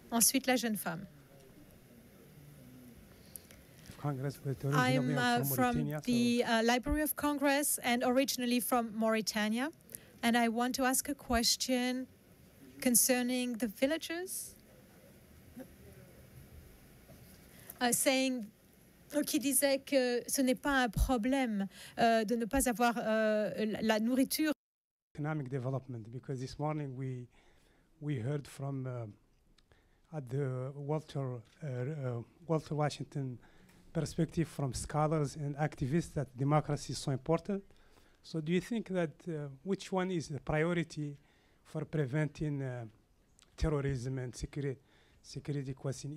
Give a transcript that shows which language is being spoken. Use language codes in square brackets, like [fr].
[fr] Ensuite, la jeune femme. [en] I'm from the Library of Congress and originally from Mauritania. And I want to ask a question concerning the villagers. Saying, [fr] qui disait que ce n'est pas un problème de ne pas avoir la nourriture. [en] Economic development, because this morning we heard from at the Walter Washington perspective from scholars and activists that democracy is so important. So do you think that which one is the priority for preventing terrorism and security question?